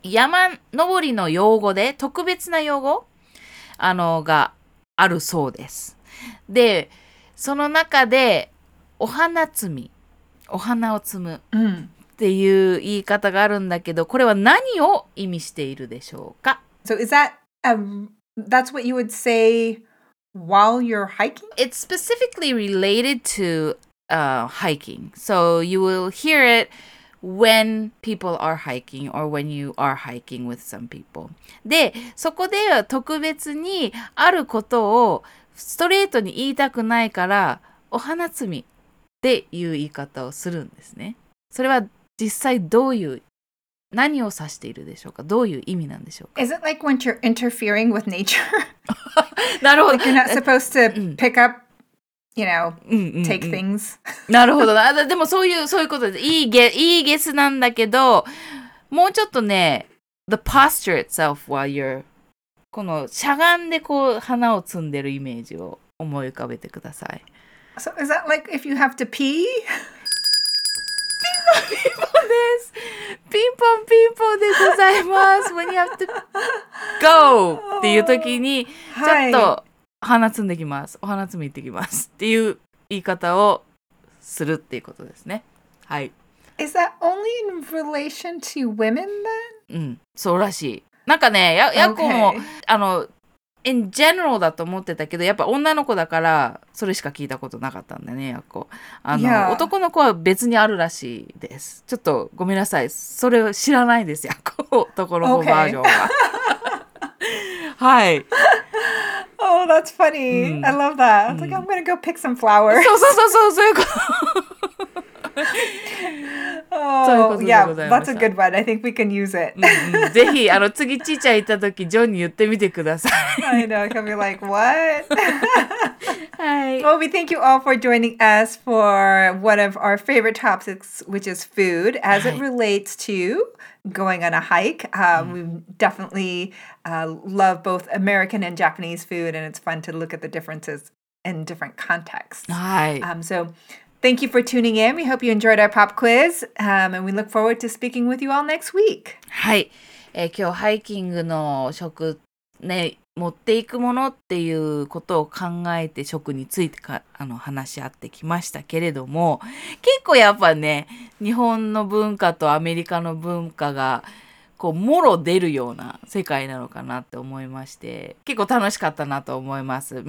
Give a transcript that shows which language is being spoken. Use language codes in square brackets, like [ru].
[ja] 山登りの用語で、特別な用語があるそうです。で、その中でお花摘み、お花を摘むっていう言い方があるんだけど、これは何を意味しているでしょうか？ [en] So is that, that's what you would say while you're hiking? It's specifically related to hiking. So you will hear it when people are hiking or when you are hiking with some people. [ja] で、そこで特別にあることをストレートに言いたくないから、お花摘みっていう言い方をするんですね。それは実際どういう、何を指しているでしょうか？どういう意味なんでしょうか？ [en] Is it like when you're interfering with nature? [ja] なるほど。 [en] Like you're not supposed to pick up, you know, take things. [ja] なるほど。でもそういう、そういうことです。いいゲスなんだけど、もうちょっとね、 [en] the posture itself while you're, [ja] このしゃがんでこう花を摘んでるイメージを思い浮かべてください。 [en] So is that like if you have to pee? [ja] ピンポンピンポンでございます。 [en] When you have to go [ja] っていう時にちょっと花摘んできます、お花摘み行ってきますっていう言い方をするっていうことですね。はい。 [en] Is that only in relation to women then? [ja] うん、そうらしい。なんかね、ヤコも、okay. [en] in general [ja] だと思ってたけど、やっぱ女の子だからそれしか聞いたことなかったんだね、ヤコ。Yeah. 男の子は別にあるらしいです。ちょっとごめんなさい、それを知らないです、ヤコ。男の子バージョンは、 [en] okay. [ja] はい。 [en] Oh, that's funny. I love that. It's like, I'm gonna go pick some flowers. [ja] そうそうそうそう、そういうこと。 [en] Oh, yeah, that's a good one. I think we can use it. [ja] ぜひ、次ちーちゃん行った時、ジョンに言ってみてください。 [en] I know, he'll be like, what? Hi. Well, we thank you all for joining us for one of our favorite topics, which is food, as it relates to going on a hike. We definitely love both American and Japanese food, and it's fun to look at the differences in different contexts. Hi. So thank you for tuning in. We hope you enjoyed our pop quiz, and we look forward to speaking with you all next week. Hi. [ja] 今日ハイキングの食ね、持っていくものっていうことを考えて食についてか話し合ってきましたけれども、結構やっぱね、日本の文化とアメリカの文化がこうもろ出るような世界なのかなって思いまして、結構楽しかったなと思います。